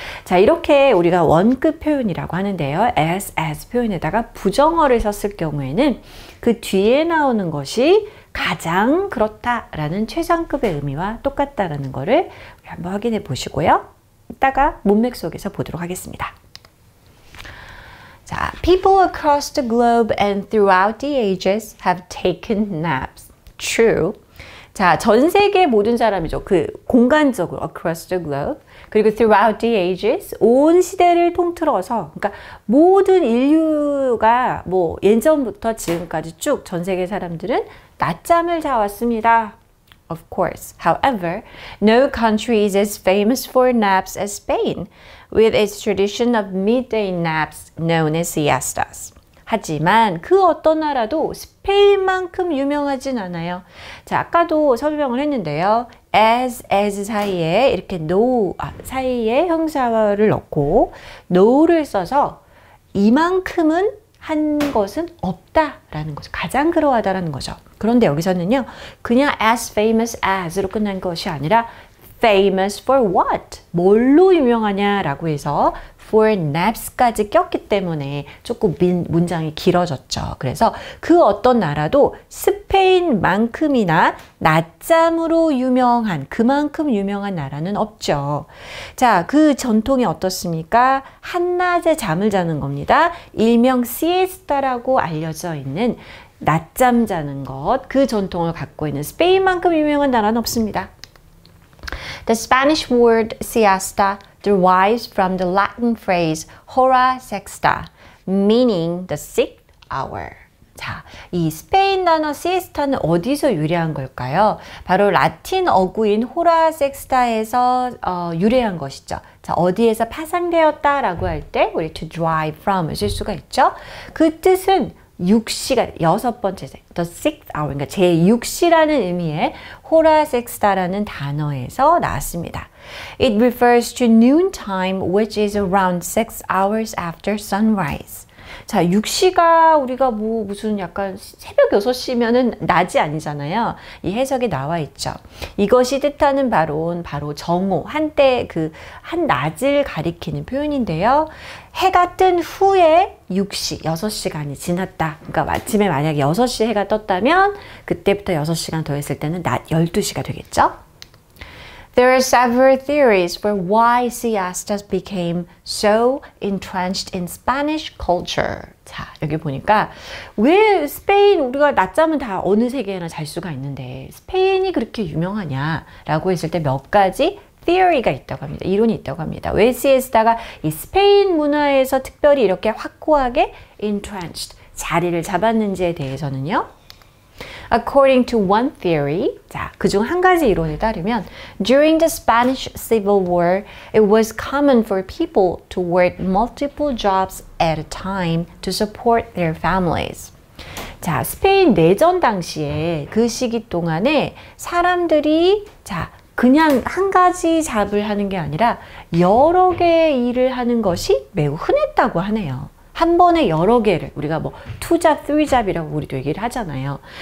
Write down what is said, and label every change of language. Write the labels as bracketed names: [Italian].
[Korean] 자, 이렇게 우리가 원급 표현이라고 하는데요. as 표현에다가 부정어를 썼을 경우에는 그 뒤에 나오는 것이 가장 그렇다라는 최상급의 의미와 똑같다라는 것을 한번 확인해 보시고요. 이따가 문맥 속에서 보도록 하겠습니다. [English] 자, people across the globe and throughout the ages have taken naps. True. [Korean] 자, 전 세계 모든 사람이죠. 그 공간적으로 [English] across the globe [Korean] 그리고 [English] throughout the ages [Korean] 온 시대를 통틀어서 그러니까 모든 인류가 뭐 예전부터 지금까지 쭉 전 세계 사람들은 낮잠을 자왔습니다. [English] Of course. However, no country is as famous for naps as Spain with its tradition of midday naps known as siestas. [Korean] 하지만 그 어떤 나라도 스페인만큼 유명하진 않아요. 자, 아까도 설명을 했는데요. as 사이에 이렇게 사이에 형사를 넣고 no를 써서 이만큼은 한 것은 없다라는 거죠. 가장 그러하다라는 거죠. 그런데 여기서는요. 그냥 [English] as famous as로 [Korean] 끝난 것이 아니라 [English] famous for what? [Korean] 뭘로 유명하냐라고 해서 for naps까지 꼈기 때문에 조금 문장이 길어졌죠. 그래서 그 어떤 나라도 스페인만큼이나 낮잠으로 유명한 그만큼 유명한 나라는 없죠. 자, 그 전통이 어떻습니까? 한낮에 잠을 자는 겁니다. 일명 시에스타라고 알려져 있는 낮잠 자는 것, 그 전통을 갖고 있는 스페인만큼 유명한 나라는 없습니다. [English] The Spanish word siesta derives from the Latin phrase hora sexta, meaning the sixth hour. [Korean] 자, 이 스페인 단어 siesta는 어디서 유래한 걸까요? 바로 라틴 어구인 hora sexta에서 유래한 것이죠. 자, 어디에서 파생되었다라고 할 때 우리 to derive from을 쓸 수가 있죠. 그 뜻은 6시간, 여섯 번째, [English] the sixth hour, [Korean] 그러니까 제6시라는 의미의 hora sexta라는 단어에서 나왔습니다. [English] It refers to noontime, which is around 6 hours after sunrise. [Korean] 자, 6시가 우리가 뭐 무슨 약간 새벽 6시면은 낮이 아니잖아요. 이 해석이 나와 있죠. 이것이 뜻하는 바로 정오, 한때 그 한낮을 가리키는 표현인데요. 해가 뜬 후에 6시, 6시간이 지났다. 그러니까 아침에 만약에 6시에 해가 떴다면 그때부터 6시간 더 했을 때는 낮 12시가 되겠죠. [English] There are several theories for why siestas became so entrenched in Spanish culture. [Korean] 자, 여기 보니까 왜 스페인 우리가 낮잠은 다 어느 세계에나 잘 수가 있는데 스페인이 그렇게 유명하냐라고 했을 때 몇 가지 theory가 있다고 합니다. 이론이 있다고 합니다. 왜 시에스타가 이 스페인 문화에서 특별히 이렇게 확고하게 entrenched 자리를 잡았는지에 대해서는요. [English] According to one theory, [Korean] 자, 그중 한 가지 이론에 따르면 [English] during the Spanish Civil War, it was common for people to work multiple jobs at a time to support their families. [Korean] 자, 스페인 내전 당시에 그 시기 동안에 사람들이 그냥 한 가지 잡을 하는 게 아니라 여러 개의 일을 하는 것이 매우 흔했다고 하네요. 한 번에 여러 개를 우리가 뭐 투잡, 쓰리잡이라고 우리도 얘기를 하잖아요.